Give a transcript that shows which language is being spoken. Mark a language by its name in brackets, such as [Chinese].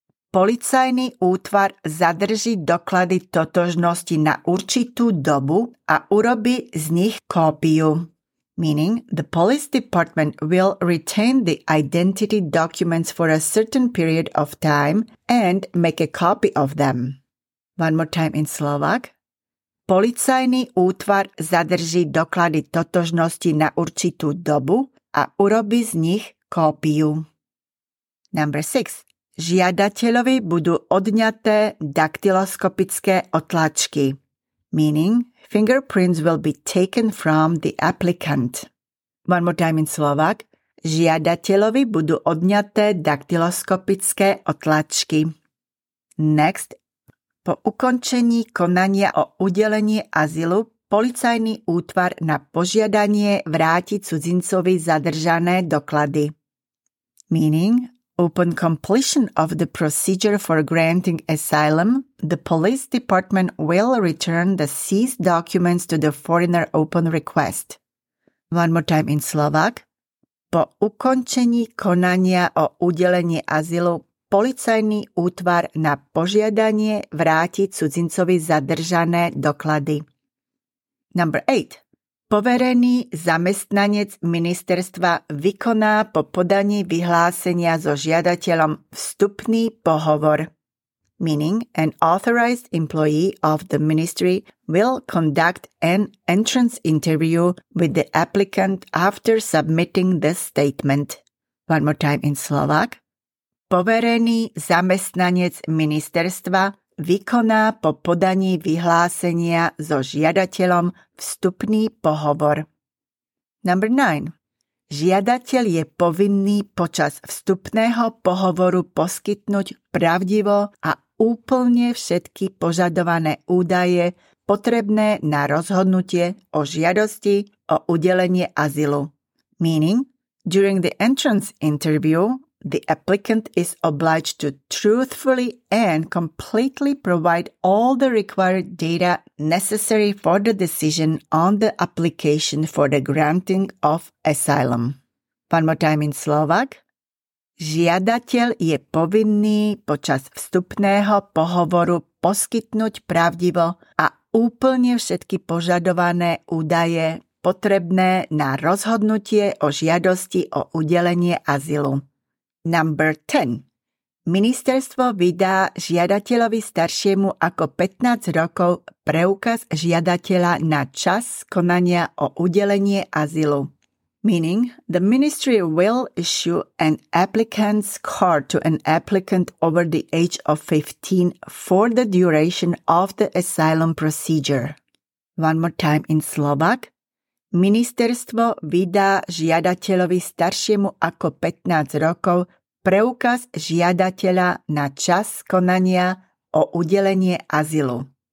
[Slovak] Policajný útvar zadrží doklady totožnosti na určitú dobu a urobí z nich kópiu. [English] Meaning, the police department will retain the identity documents for a certain period of time and make a copy of them. One more time in Slovak. [Slovak] Policajný útvar zadrží doklady totožnosti na určitú dobu a urobí z nich kópiu. [English] Number 6. [Slovak] Žiadateľovi budú odňaté daktyloskopické otlačky. [English] Meaning, fingerprints will be taken from the applicant. One more time in Slovak. [Slovak] Žiadateľovi budú odňaté daktyloskopické otlačky. [English] Next. [Slovak] Po ukončení konania o udelení azylu, policajný útvar na požiadanie vráti cudzincovi zadržané doklady. [English] Meaning, upon completion of the procedure for granting asylum, the police department will return the seized documents to the foreigner upon request. One more time in Slovak. [Slovak] Po ukončení konania o udelení azylu, policajný útvar na požiadanie vráti cudzincovi zadržané doklady. [English] Number 8. [Slovak] Poverený zamestnanec ministerstva vykoná po podaní vyhlásenia so žiadateľom vstupný pohovor. [English] Meaning, an authorized employee of the ministry will conduct an entrance interview with the applicant after submitting the statement. One more time in Slovak. [Slovak] Poverený zamestnanec ministerstva vykoná po podaní vyhlásenia so žiadateľom vstupný pohovor. [English] Number 9. [Slovak] Žiadateľ je povinný počas vstupného pohovoru poskytnúť pravdivo a úplne všetky požadované údaje potrebné na rozhodnutie o žiadosti o udelenie azylu. [English] Meaning, during the entrance interview, the applicant is obliged to truthfully and completely provide all the required data necessary for the decision on the application for the granting of asylum. One more time in Slovak. [Slovak] Žiadateľ je povinný počas vstupného pohovoru poskytnúť pravdivo a úplne všetky požadované údaje potrebné na rozhodnutie o žiadosti o udelenie azylu. [English] Number 10. [Slovak] Ministerstvo vydá žiadateľovi staršiemu ako 15 rokov preukaz žiadateľa na čas konania o udelenie azylu. [English] Meaning, the ministry will issue an applicant's card to an applicant over the age of 15 for the duration of the asylum procedure. One more time in Slovak. [Slovak] Ministerstvo vydá žiadateľovi staršiemu ako 15 rokov preukaz žiadateľa na čas konania o udelenie azylu.